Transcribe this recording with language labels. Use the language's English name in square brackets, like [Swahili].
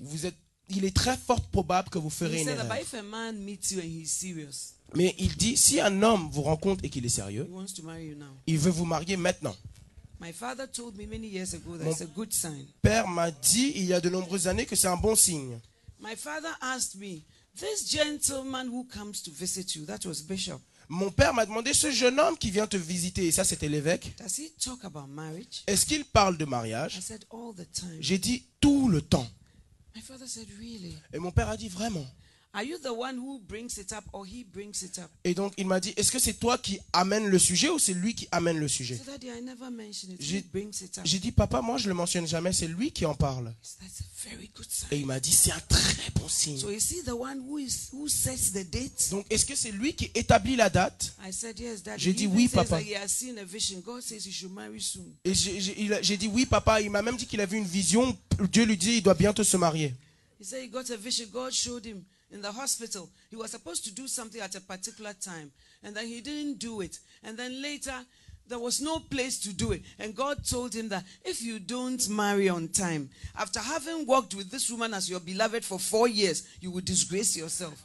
[French] Vous êtes, il est très fort probable que vous ferez [English] he said [French] une erreur. [English] If a man meets you and he's serious, [French] mais il dit, si un homme vous rencontre et qu'il est sérieux, [English] he wants to marry you now. [French] Il veut vous marier maintenant. [English] My father told me many years ago that it's a good sign. [French] Père m'a dit il y a de nombreuses années que c'est un bon signe. [English] My father asked me, this gentleman who comes to visit you, that was Bishop. [French] Mon père m'a demandé, ce jeune homme qui vient te visiter, et ça c'était l'évêque, [English] does he talk about marriage? [French] Est-ce qu'il parle de mariage? [English] I said, all the time. [French] J'ai dit, tout le temps. [English] My father said, really? [French] Et mon père a dit, vraiment? [English] Are you the one who brings it up or he brings it up? [French] Et donc il m'a dit, est-ce que c'est toi qui amènes le sujet ou c'est lui qui amène le sujet? [English] So, Daddy, I never mentioned it. He brings it up. [French] J'ai dit, papa, moi je ne le mentionne jamais, c'est lui qui en parle. [English] So, that's a very good sign. [French] Et il m'a dit, c'est un très bon signe. [English] So, is he the one who sets the date? [French] Donc est-ce que c'est lui qui établit la date? [English] I said, yes, Daddy. [French] J'ai dit, oui, papa. [English] He has seen a vision. God says he should marry soon. [French] Et j'ai dit, oui, papa, il m'a même dit qu'il a vu une vision. Dieu lui dit, il doit bientôt se marier. [English] He said he got a vision. God showed him. In the hospital, he was supposed to do something at a particular time, and then he didn't do it. And then later, there was no place to do it. And God told him that if you don't marry on time, after having worked with this woman as your beloved for 4 years, you will disgrace yourself.